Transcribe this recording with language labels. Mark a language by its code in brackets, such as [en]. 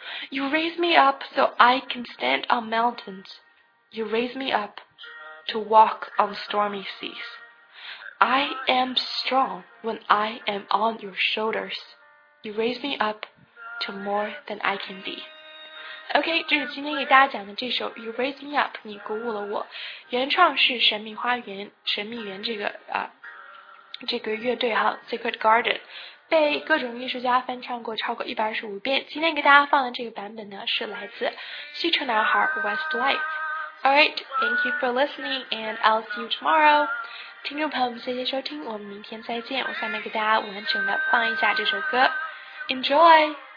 [en] You raise me up so I can stand on mountains. You raise me up to walk on stormy seas. I am strong when I am on your shoulders. You raise me up to more than I can be. [zh] OK, 这是今天给大家讲的这首 You Raise Me Up, 你鼓舞了我。原创是神秘花园，神秘园这个啊。这个乐队哈 Secret Garden 被各种艺术家翻唱过超过125遍，今天给大家放的这个版本呢是来自西城男孩 Westlife。 [en] Alright, thank you for listening and I'll see you tomorrow. [zh] 听众朋友们，谢谢收听，我们明天再见。我下面给大家完整的放一下这首歌， Enjoy。